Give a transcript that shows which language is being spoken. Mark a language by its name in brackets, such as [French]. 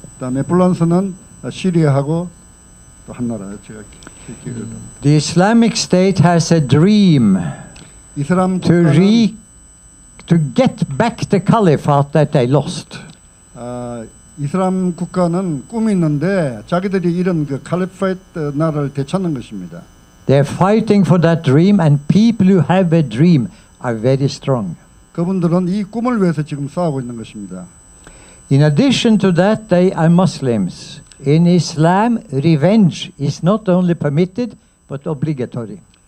[Korean] 그다음에 폴란드는 시리아하고 또 한 나라 제가 기억을 [English] The Islamic State has a dream to get back the caliphate that they lost. [Korean] 이슬람 국가는 꿈이 있는데 자기들이 이런 그 칼리파이트 나라를 되찾는 것입니다. [English] They're fighting for that dream, and people who have a dream are very strong. [Korean] 그분들은 이 꿈을 위해서 지금 싸우고 있는 것입니다. [English] In addition to that, they are Muslims. In Islam, revenge is not only permitted but obligatory.